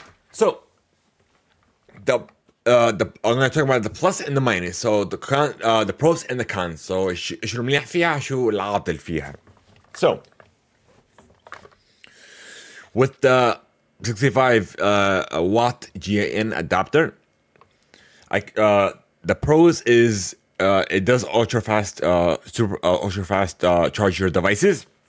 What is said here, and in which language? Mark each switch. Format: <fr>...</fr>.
<en>So, I'm going to talk about the plus and the minus. So, the pros and the cons.</en> <ar>So, شو المليح فيها شو العاطل فيها.</ar> <en>So, with the 65-watt GAN adapter, the pros is it does ultra-fast charge your devices.</en>